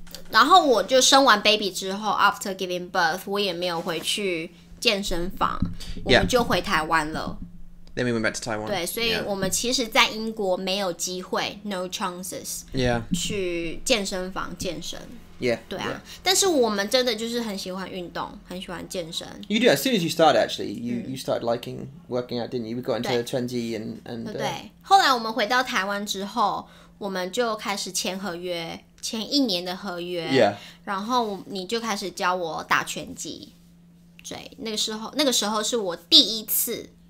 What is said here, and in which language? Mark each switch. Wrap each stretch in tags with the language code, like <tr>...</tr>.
<zh>然后我就生完 baby 之后</zh> <en>after giving birth</en> <zh>我也没有回去健身房、</zh> <en>yeah.</en> <zh>我们就回台湾了。</zh> <en>Then we went back to Taiwan.</en> <zh>对，所以我们其实在英国没有机会 ，</zh> <en>no chances. Yeah.</en> <zh>去健身房健身。</zh> <en>Yeah.</en> <zh>对啊，</zh> <en>yeah.</en> <zh>但是我们真的就是很喜欢运动，很喜欢健身。</zh> <en>You do. As soon as you started, actually, you started liking working out, didn't you? We got into the 20 and</en> <zh>对。后来我们回到台湾之后，我们就开始签合约，签一年的合约。</zh> <en>Yeah.</en> <zh>然后你就开始教我打拳击。对，那个时候是我第一次。</zh>